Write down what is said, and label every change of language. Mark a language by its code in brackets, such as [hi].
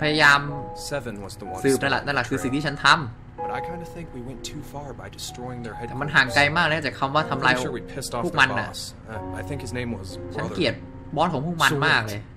[th] พยายามสืบนั่นแหละคือสิ่งที่ฉันทำ [en] But I kind of think we went too far by destroying their headquarters. [th] แต่มันห่างไกลมากเลยจากคำว่าทำลายพวกมันน่ะ [en] I think his name was [th] ฉันเกลียดบอสของพวกมันมากเลย